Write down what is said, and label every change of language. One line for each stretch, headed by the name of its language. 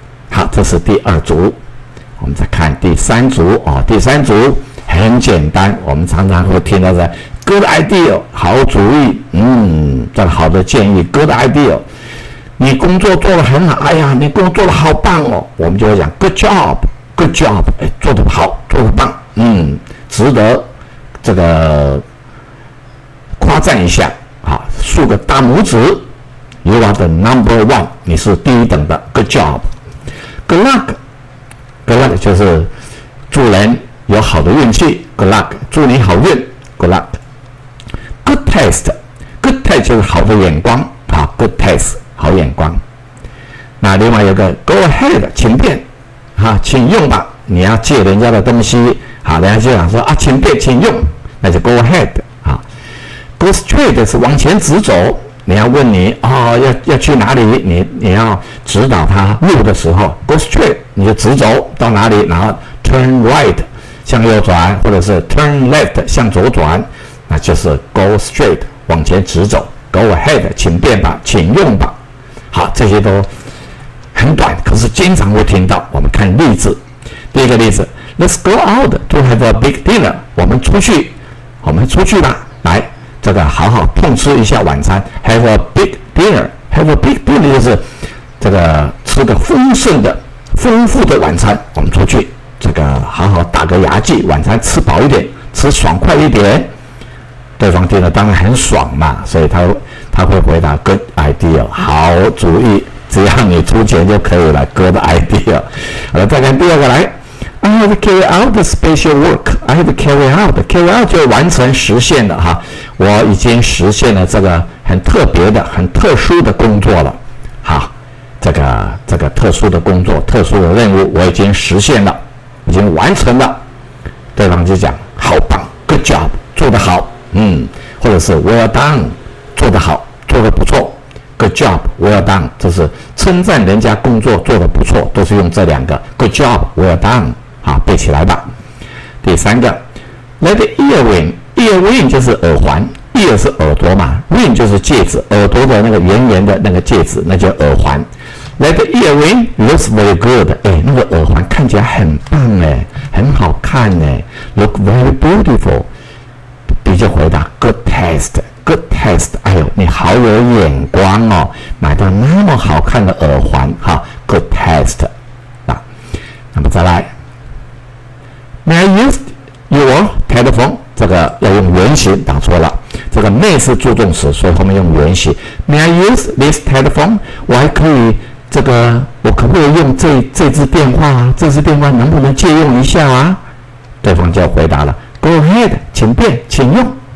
Chinese: 好，这是第二组，我们再看第三组哦，第三组很简单，我们常常会听到的
English: Good idea，
Chinese: 好主意，嗯，这个好的建议 ，Good idea， 你工作做得很好，哎呀，你工作得好棒哦，我们就会讲
English: Good job，
Chinese: Good job， 哎，做得好，做得棒，嗯，值得。这个夸赞一下，好，竖个大拇指，
English: You are the number one，
Chinese: 你是第一等的，
English: Good job， Good luck，
Chinese: Good luck 就是祝人有好的运气， Good luck， 祝你好运， Good luck，
English: Good taste，
Chinese: Good taste 就是好的眼光，好， Good taste， 好眼光。那另外有个
English: Go ahead，
Chinese: 请便，请用吧，你要借人家的东西，好，人家就想说啊，请便，请用，那就
English: go ahead
Chinese: 啊。
English: Go straight
Chinese: 是往前直走，你要问你哦，要去哪里，你要指导他路的时候 ，
English: go straight
Chinese: 你就直走到哪里，然后
English: turn right
Chinese: 向右转，或者是
English: turn left
Chinese: 向左转，那就是 go straight 往前直走 ，
English: go ahead
Chinese: 请便吧，请用吧。好，这些都很短，可是经常会听到。我们看例子，第一个例子。
English: Let's go out to have a big dinner.
Chinese: 我们出去，我们出去吧。来，这个好好痛吃一下晚餐。
English: Have a big dinner. Have a big dinner
Chinese: 就是这个吃个丰盛的、丰富的晚餐。我们出去，这个好好打个牙祭，晚餐吃饱一点，吃爽快一点。对方听了当然很爽嘛，所以他会回答
English: Good idea，
Chinese: 好主意，只要你出钱就可以了。
English: Good idea。
Chinese: 好了，再看第二个来。
English: I have to carry out the special work. I have to carry out. Carry out
Chinese: 就完成实现了哈，我已经实现了这个很特别的、很特殊的工作了。好，这个特殊的工作、特殊的任务，我已经实现了，已经完成了。对方就讲：好棒 ，
English: Good job，
Chinese: 做得好，嗯，或者是
English: Well done，
Chinese: 做得好，做得不错 ，Good job， Well done， 这是称赞人家工作做得不错，都是用这两个 Good job， Well done。好，背起来吧。第三个 ，
English: let earring，
Chinese: earring 就是耳环 ，ear 是耳朵嘛 ，ring 就是戒指，耳朵的那个圆圆的那个戒指，那叫耳环。
English: Let earring looks very good，
Chinese: 哎，那个耳环看起来很棒哎，很好看哎 ，
English: look very beautiful。
Chinese: 比较回答 ，
English: good taste，
Chinese: good taste， 哎呦，你好有眼光哦，买到那么好看的耳环，哈 ，good taste。那么再来。
English: May I use your telephone？
Chinese: 这个要用原型，打错了。这个 may 是助动词，所以后面用原型。
English: May I use this telephone？
Chinese: 我还可以，这个我可不可以用这支电话啊？这支电话能不能借用一下啊？对方就回答了 ：
English: Go ahead，
Chinese: 请便，请用。